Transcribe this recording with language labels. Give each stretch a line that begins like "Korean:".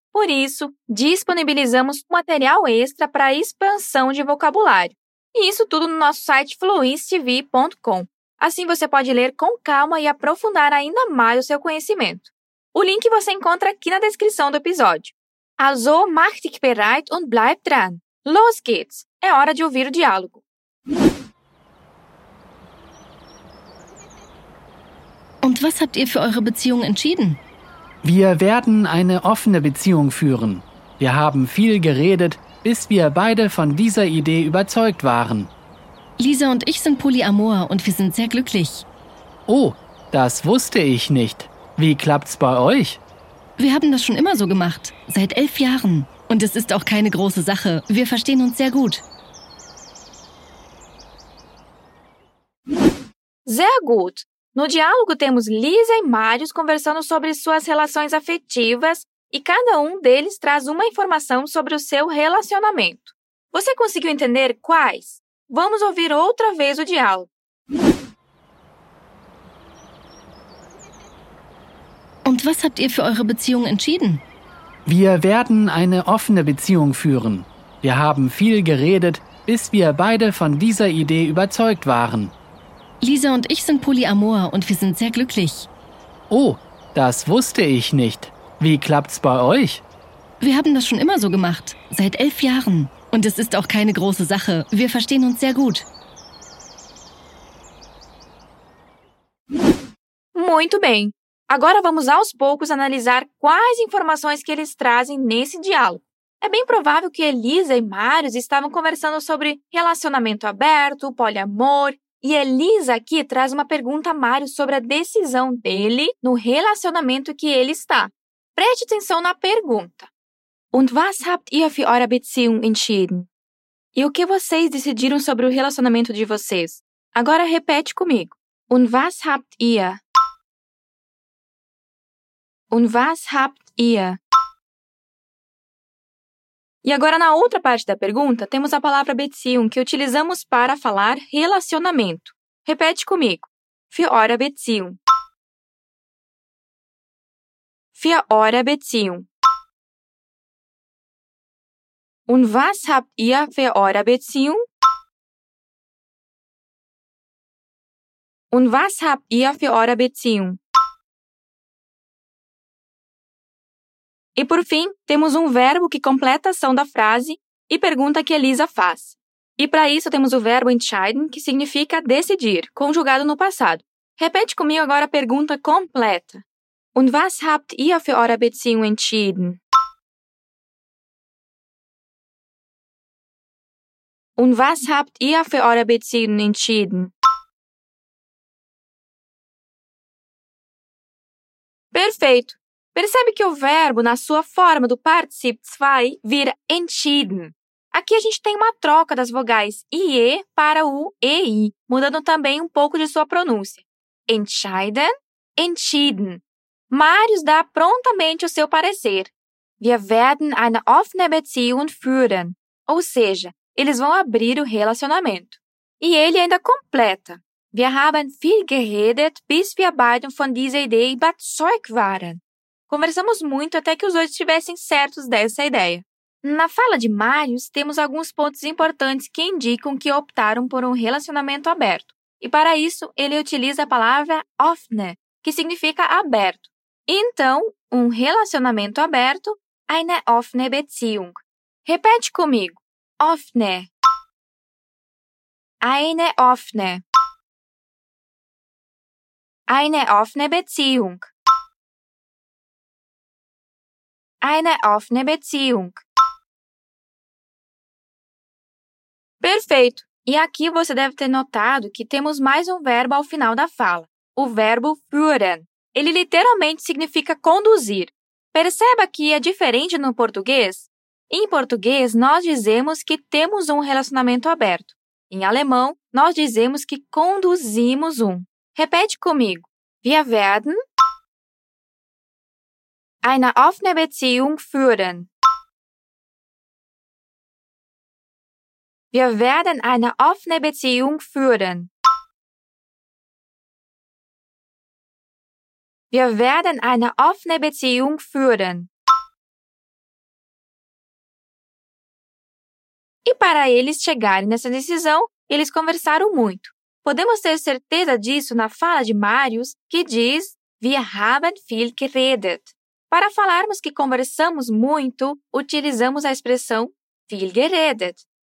Portuguese: Por isso, disponibilizamos material extra para expansão de vocabulário. E isso tudo no nosso site fluencetv.com. Assim você pode ler com calma e aprofundar ainda mais o seu conhecimento. O link você encontra aqui na descrição do episódio.
German: Also, mach dich bereit und bleib dran. Los geht's!
Portuguese: É hora de ouvir o diálogo.
German: Und was habt ihr für eure Beziehung entschieden? Wir werden eine offene Beziehung führen. Wir haben viel geredet, bis wir beide von dieser Idee überzeugt waren. Lisa und ich sind Polyamor und wir sind sehr glücklich. Oh, das wusste ich nicht. Wie klappt's bei euch? Wir haben das schon immer so gemacht, seit 11 Jahren. Und es ist auch keine große Sache. Wir verstehen uns sehr gut. Sehr gut.
Portuguese: No diálogo temos Lisa e Marius conversando sobre suas relações afetivas e cada um deles traz uma informação sobre o seu relacionamento. Você conseguiu entender quais? Vamos ouvir outra vez o diálogo.
German: Und was habt ihr für eure Beziehung entschieden? Wir werden eine offene Beziehung führen. Wir haben viel geredet, bis wir beide von dieser Idee überzeugt waren. Lisa und ich sind Polyamor und wir sind sehr glücklich. Oh, das wusste ich nicht. Wie klappt's bei euch? Wir haben das schon immer so gemacht, seit 11 Jahren. Und es ist auch keine große Sache. Wir verstehen uns sehr gut.
Portuguese: Muito bem. Agora vamos aos poucos analisar quais informações que eles trazem nesse diálogo. É bem provável que Elisa e Marius estavam conversando sobre relacionamento aberto, poliamor, e Elisa aqui traz uma pergunta a Marius sobre a decisão dele no relacionamento que ele está. Preste atenção na pergunta.
German: Und was habt ihr für eure Beziehung entschieden?
Portuguese: E o que vocês decidiram sobre o relacionamento de vocês? Agora repete comigo.
German: Und was habt ihr? Und was habt ihr?
Portuguese: E agora, na outra parte da pergunta, temos a palavra Beziehung, que utilizamos para falar relacionamento. Repete comigo.
German: Für eure Beziehung. Für eure Beziehung. Und was habt ihr für eure Beziehung? Und was habt ihr für eure Beziehung?
Portuguese: E por fim, temos um verbo que completa a ação da frase e pergunta que Elisa faz. E para isso, temos o verbo entscheiden, que significa decidir, conjugado no passado. Repete comigo agora a pergunta completa.
German: Und was habt ihr für eure Beziehung entschieden? Und was habt ihr für eure Beziehung entschieden?
Portuguese: Perfeito! Percebe que o verbo, na sua forma do Particip 2, vira entschieden. Aqui a gente tem uma troca das vogais IE para o EI, mudando também um pouco de sua pronúncia.
German: Entscheiden, entschieden.
Portuguese: Marius dá prontamente o seu parecer.
German: Wir werden eine offene Beziehung führen.
Portuguese: Ou seja, eles vão abrir o relacionamento. E ele ainda completa.
German: Wir haben viel geredet, bis wir beide von dieser Idee überzeugt waren.
Portuguese: Conversamos muito até que os dois estivessem certos dessa ideia. Na fala de Marius, temos alguns pontos importantes que indicam que optaram por um relacionamento aberto. E para isso, ele utiliza a palavra offne, que significa aberto. Então, um relacionamento aberto,
German: eine offene Beziehung.
Portuguese: Repete comigo. Offne.
German: Eine offene. Eine offene Beziehung. Eine offene Beziehung.
Portuguese: Perfeito! E aqui você deve ter notado que temos mais um verbo ao final da fala, o verbo führen. Ele literalmente significa conduzir. Perceba que é diferente no português? Em português, nós dizemos que temos um relacionamento aberto. Em alemão, nós dizemos que conduzimos um. Repete comigo.
German: Wir werden eine offene Beziehung führen. Wir werden eine offene Beziehung führen. Wir werden eine offene Beziehung führen.
Portuguese: E para eles chegarem nessa decisão, eles conversaram muito. Podemos ter certeza disso na fala de Marius, que diz
German: Wir haben viel geredet.
Portuguese: Para falarmos que conversamos muito, utilizamos a expressão
German: viel geredet.